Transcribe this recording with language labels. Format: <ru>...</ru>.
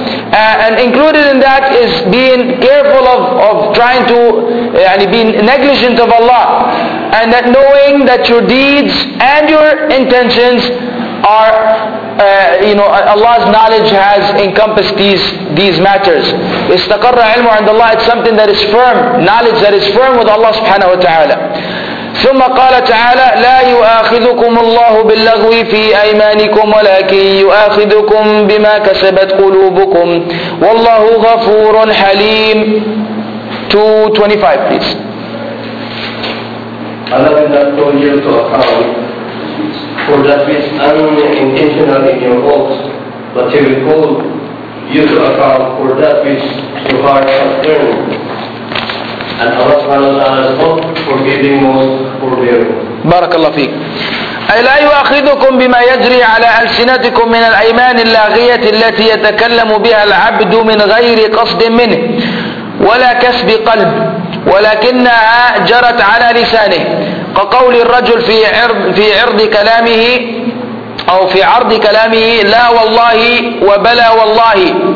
<en>And included in that is being careful of trying to be negligent of Allah, and that knowing that your deeds and your intentions are Allah's knowledge has encompassed these matters. Istaqarra ilmu and Allah, it's something that is firm, knowledge that is firm with Allah subhanahu wa ta'ala.</en> <ar>ثم قال تعالى لا يؤاخذكم الله باللغو في أيمانكم ولكن يؤاخذكم بما كسبت قلوبكم والله غفور حليم.</ar> <en>225 please. Allah did not call you to account for that which is unintentional in your hearts, but He will call you to account for that which your heart has turned. And Allah is not forgiving most forbearing.</en> <ar>بارك الله فيك. أي لا يؤاخذكم بما يجري على ألسنتكم من الأيمان اللاغية التي يتكلم بها العبد من غير قصد منه ولا كسب قلب ولكنها جرت على لسانه كقول الرجل في عرض كلامه أو في عرض كلامه لا والله وبلا والله.</ar>